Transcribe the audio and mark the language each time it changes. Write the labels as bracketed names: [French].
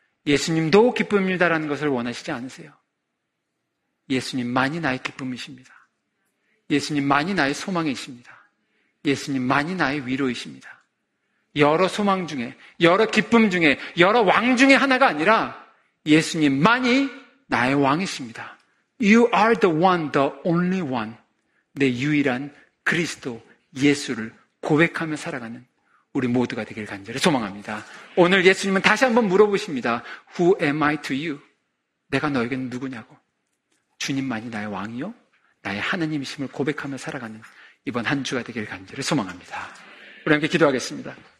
[Korean] 예수님도 기쁨입니다라는 것을 원하시지 않으세요. 예수님만이 나의 기쁨이십니다. 예수님만이 나의 소망이십니다. 예수님만이 나의 위로이십니다. 여러 소망 중에, 여러 기쁨 중에, 여러 왕 중에 하나가 아니라 예수님만이 나의 왕이십니다. [English] You are the one, the only one. [Korean] 내 유일한 그리스도 예수를 고백하며 살아가는 우리 모두가 되길 간절히 소망합니다. 오늘 예수님은 다시 한번 물어보십니다. [English] Who am I to you? [Korean] 내가 너에게는 누구냐고. 주님만이 나의 왕이요? 나의 하나님이심을 고백하며 살아가는 이번 한 주가 되길 간절히 소망합니다. 우리 함께 기도하겠습니다.